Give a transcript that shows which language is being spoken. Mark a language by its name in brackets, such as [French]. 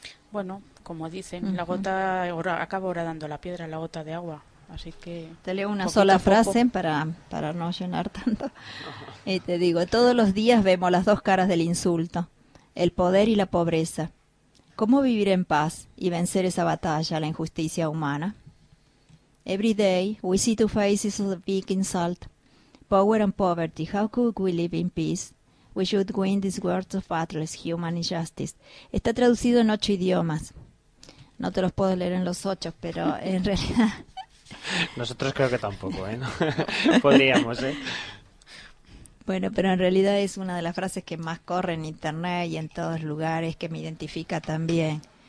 [Spanish] Bueno, como dicen, la gota acaba ahora dando la piedra, la gota de agua. Así que te leo una sola frase para no llenar tanto. Y te digo, todos los días vemos las dos caras del insulto, el poder y la pobreza. ¿Cómo vivir en paz y vencer esa batalla, la injusticia humana? [English] Every day we see two faces of the big insult, power and poverty. How could we live in peace? We should win these words of battles, human injustice. [Spanish] Está traducido en 8 idiomas. No te los puedo leer en los 8, pero en realidad... Nosotros creo que tampoco, ¿eh? Podríamos, ¿eh? Bueno, pero en realidad es una de las frases que más corre en internet y en todos lugares, que me identifica también.